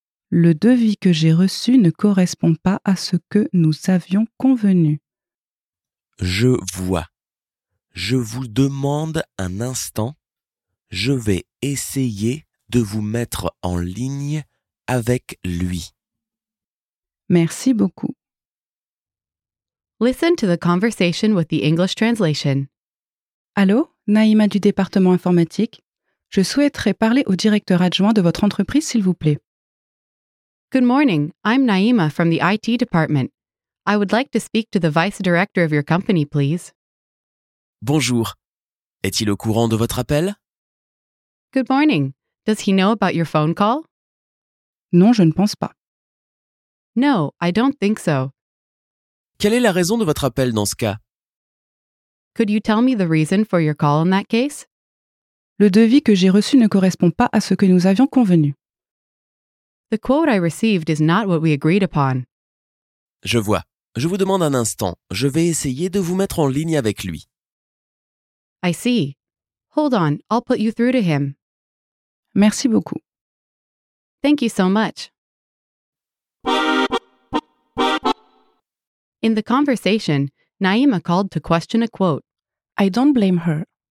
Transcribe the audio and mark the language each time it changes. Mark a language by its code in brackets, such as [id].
[fr] Le devis que j'ai reçu ne correspond pas à ce que nous avions convenu. Je vois. Je vous demande un instant. Je vais essayer de vous mettre en ligne avec lui. Merci beaucoup. [en] Listen to the conversation with the English translation. [fr] Allô, Naima du département informatique. Je souhaiterais parler au directeur adjoint de votre entreprise, s'il vous plaît. [en] Good morning, I'm Naima from the IT department. I would like to speak to the vice director of your company, please. [fr] Bonjour. Est-il au courant de votre appel? [en] Good morning. Does he know about your phone call? [fr] Non, je ne pense pas. [en] No, I don't think so. [fr] Quelle est la raison de votre appel dans ce cas? [en] Could you tell me the reason for your call in that case? [fr] Le devis que j'ai reçu ne correspond pas à ce que nous avions convenu. [en] The quote I received is not what we agreed upon. [fr] Je vois. Je vous demande un instant. Je vais essayer de vous mettre en ligne avec lui. [en] I see. Hold on, I'll put you through to him. [fr] Merci beaucoup. [en] Thank you so much. In the conversation, Naima called to question a quote. I don't blame her.